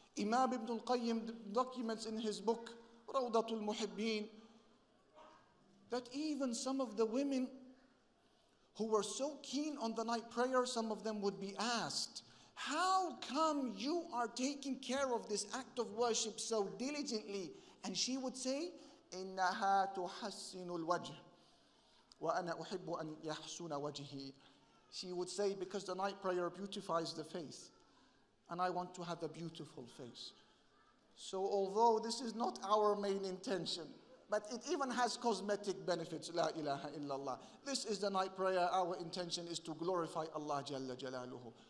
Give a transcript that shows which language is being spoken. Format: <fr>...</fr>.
<en>Imam ibn al-Qayyim documents in his book, Rawdatul Muhibbin, that even some of the women who were so keen on the night prayer, some of them would be asked, how come you are taking care of this act of worship so diligently? And she would say,</en> <ar>إِنَّهَا تُحَسِّنُ الْوَجْهِ وَأَنَا أُحِبُّ أَنْ يَحْسُنَ وَجْهِ.</ar> <en>She would say, because the night prayer beautifies the face, and I want to have a beautiful face. So although this is not our main intention, but it even has cosmetic benefits, la ilaha illallah. This is the night prayer. Our intention is to glorify Allah Jalla Jalaluhu.</en>